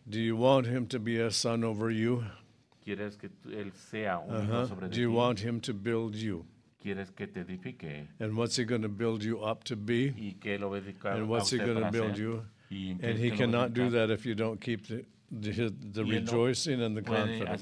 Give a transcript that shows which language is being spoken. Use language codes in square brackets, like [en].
[en] Do you want him to be a son over you? [es] ¿Quieres que él sea un hijo sobre ti? [en] Do you want him to build you? [es] ¿Quieres que te edifique? [en] And what's he going to build you up to be? [es] ¿Y que lo va a edificar? [en] And what's he going to build you? And he cannot do that if you don't keep the rejoicing and the confidence.